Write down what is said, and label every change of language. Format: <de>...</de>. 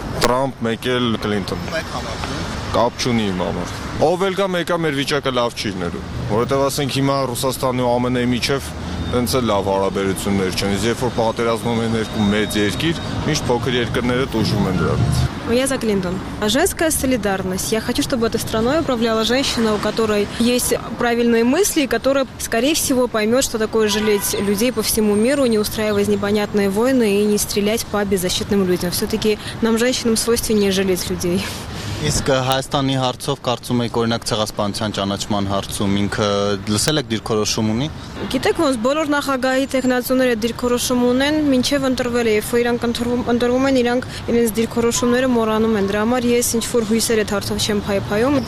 <hy>Թրամփ, Մեքել, Քլինտոն։ Կապ չունի իմ համար։ Ով էլ կա մեկը մեր վիճակը լավ չի ներում, որովհետեւ ասենք հիմա Ռուսաստանն ու ԱՄՆ-ի միջև ինչ է լավ հարաբերություններ չեն։ Իսկ երբ որ պատերազմում են երկու մեծ երկիր, միշտ փոքր երկրները տուժում են դրանից։</hy> <ru>Я за Клинтон. Женская солидарность. Я хочу, чтобы этой страной управляла женщина, у которой есть правильные мысли, которая, скорее всего, поймет, что такое жалеть людей по всему миру, не устраивать непонятные войны и не стрелять по беззащитным людям. Все-таки нам, женщинам, свойственнее жалеть людей.</ru> <hy>Իսկ Հայաստանի հարցով կարծում եք, օրինակ ցեղասպանության ճանաչման հարցում ինքը լսել եք դիրքորոշում ունի։ Գիտեք ոնց, բոլոր նախագահի տեխնացիոները դիրքորոշում ունեն, մինչև ընտրվել է, երբ որ իրանք ընտրվում են, իրանք իրենց դիրքորոշումները մոռանում են, դրա համար ես ինչ որ հույսեր այդ հարցով չեմ փայփայում։</hy>